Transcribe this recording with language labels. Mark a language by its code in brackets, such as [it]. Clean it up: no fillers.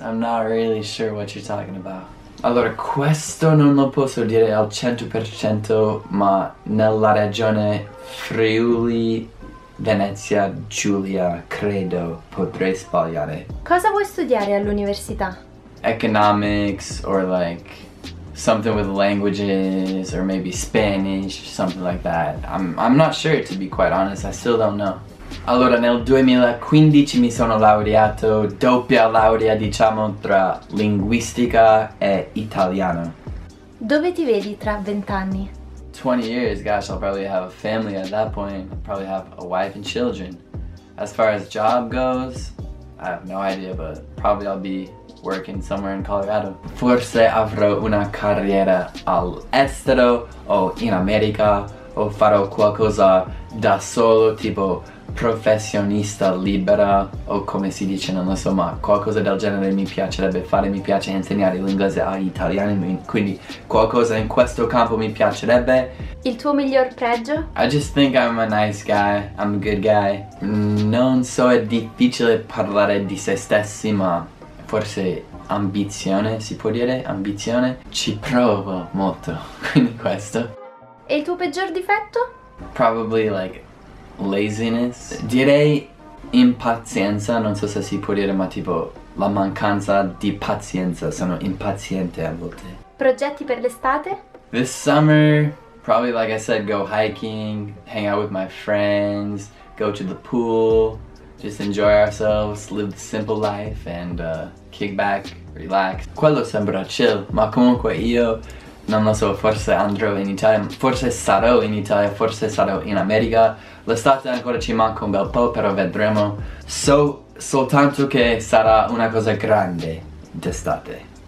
[en] I'm not really sure what you're talking about. [it] Allora, questo non lo posso dire al 100%, ma nella regione Friuli, Venezia, Giulia, credo, potrei sbagliare. Cosa vuoi studiare all'università? [en] Economics, or like, something with languages, or maybe Spanish, something like that. I'm not sure, to be quite honest, I still don't know. [it] Allora, nel 2015 mi sono laureato, doppia laurea, diciamo, tra linguistica e italiano. Dove ti vedi tra 20 anni? [en] 20 years, gosh, I'll probably have a family at that point. I'll probably have a wife and children. As far as job goes, I have no idea, but probably I'll be working somewhere in Colorado. [it] Forse avrò una carriera all'estero o in America o farò qualcosa da solo, tipo professionista libera o come si dice, non lo so, ma qualcosa del genere mi piacerebbe fare. Mi piace insegnare l'inglese agli italiani, quindi qualcosa in questo campo mi piacerebbe. Il tuo miglior pregio? [en] I just think I'm a nice guy, I'm a good guy. [it] Non so, è difficile parlare di se stessi, ma forse ambizione, si può dire? Ambizione? Ci provo molto, quindi questo. E il tuo peggior difetto? [en] Probably like laziness. [it] Direi impazienza, non so se si può dire, ma tipo la mancanza di pazienza, sono impaziente a volte. Progetti per l'estate? [en] This summer, probably like I said, go hiking, hang out with my friends, go to the pool, just enjoy ourselves, live the simple life and kick back, relax. [it] Quello sembra chill, ma comunque io non lo so, forse andrò in Italia, forse sarò in Italia, forse sarò in America. L'estate ancora ci manca un bel po', però vedremo. So soltanto che sarà una cosa grande d'estate.